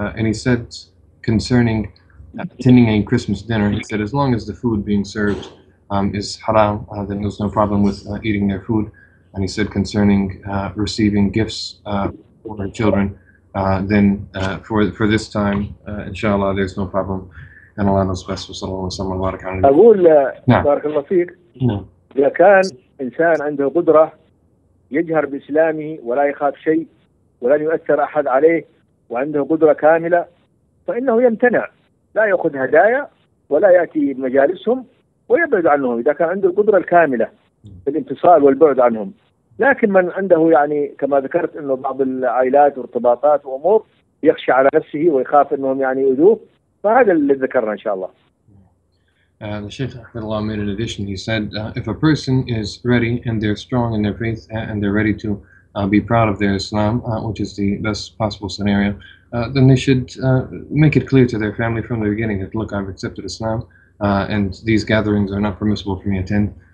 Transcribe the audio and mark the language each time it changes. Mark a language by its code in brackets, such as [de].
[en] And he said concerning attending a Christmas dinner, he said as long as the food being served is haram, then there's no problem with eating their food. And he said concerning receiving gifts for their children, then for this time, inshallah, there's no problem. And Allah knows best. [ar] وصلى الله وسلم على بارك الله فيك. أقول بارك الله فيك. إذا كان إنسان عنده قدرة يجهر بإسلامه ولا يخاف شيء ولا يؤثر أحد عليه وعنده قدرة كاملة فإنه يمتنع لا يأخذ هدايا ولا يأتي بمجالسهم ويبعد عنهم إذا كان عنده القدرة الكاملة في الانفصال والبعد عنهم. لكن من عنده يعني كما ذكرت أنه بعض العائلات وارتباطات وأمور يخشى على نفسه ويخاف أنهم يعني يؤذوه فهذا اللي ذكرنا إن شاء الله. [en] The Sheikh Ahmadullah made an addition. He said if a person is ready and they're strong in their faith and they're ready to be proud of their Islam, which is the best possible scenario, then they should make it clear to their family from the beginning that, look, I've accepted Islam and these gatherings are not permissible for me to attend.